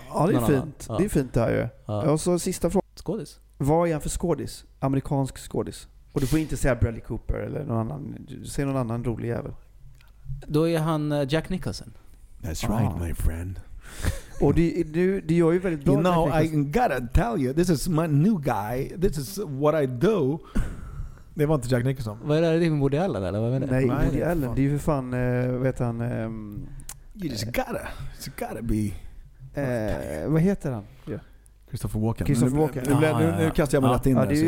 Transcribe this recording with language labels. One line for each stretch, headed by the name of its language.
Swedish: ja, det är fint. Ja. Det är fint det här ju. Ja. Och så sista frågan. Skådis. Vad är han för skådis? Amerikansk skådis. Och du får inte säga Bradley Cooper eller någon annan. Säg någon annan rolig jävel. Då är han Jack Nicholson.
English: That's right, my friend.
Swedish: Och du gör ju väldigt bra.
English: You know, I gotta tell you, this is my new guy. This is what I do.
Swedish: Det var inte Jack Nicholson. Vad är det? Är det med Woody Allen eller? Vad är det? Nej, Woody Allen. Det är ju för fan, vet han.
English: You just gotta be.
Swedish: Vad heter han? Christopher Walken. Christopher Walken. Nu kastar jag mig rätt in här.